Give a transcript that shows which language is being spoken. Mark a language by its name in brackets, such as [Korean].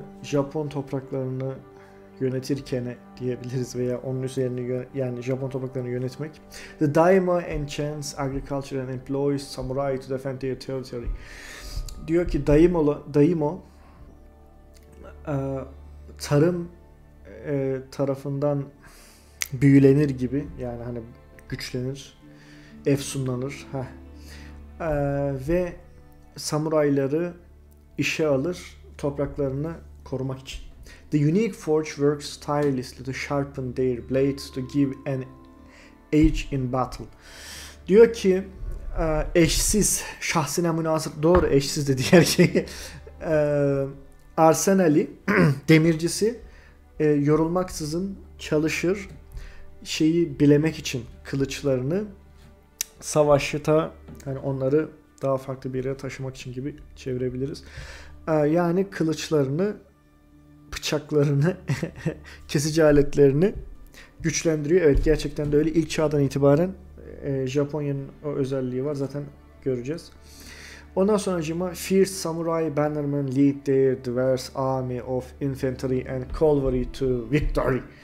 [Turkish] Japon topraklarını yönetirken diyebiliriz veya onun üzerine yani Japon topraklarını yönetmek. [English] The daima enchants agriculture and employs samurai to defend their territory. [Turkish] Diyor ki daimo tarım tarafından büyülenir gibi yani hani güçlenir, efsunlanır ve samurayları işe alır topraklarını korumak için. [English] The unique forge works tirelessly to sharpen their blades to give an edge in battle. [Turkish] Diyor ki eşsiz, şahsına münasır, doğru eşsiz dedi her şeyi. Arsenali, demircisi yorulmaksızın çalışır şeyi bilemek için kılıçlarını savaşta yani onları daha farklı bir yere taşımak için gibi çevirebiliriz. Yani kılıçlarını, bıçaklarını, kesici aletlerini güçlendiriyor. Evet gerçekten de öyle. İlk çağdan itibaren Japonya'nın o özelliği var. Zaten göreceğiz. Ondan sonra [English] cima, fierce samurai bannermen lead their diverse army of infantry and cavalry to victory.